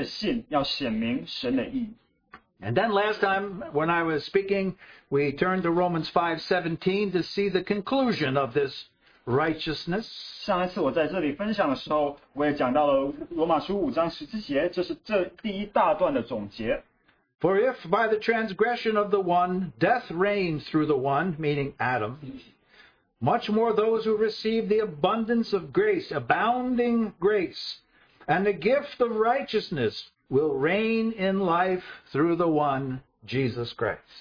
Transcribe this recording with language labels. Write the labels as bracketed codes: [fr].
[zh] 神设立耶稣做挽回祭，是凭着耶稣的血，借着人的信，要显明神的义。 [en] And then last time when I was speaking, we turned to Romans 5:17 to see the conclusion of this righteousness. [zh] 上一次我在这里分享的时候，我也讲到了罗马书5章17节，这是这第一大段的总结。 [en] For if by the transgression of the one, death reigned through the one, meaning Adam, much more those who receive the abundance of grace, abounding grace, and the gift of righteousness will reign in life through the one, Jesus Christ.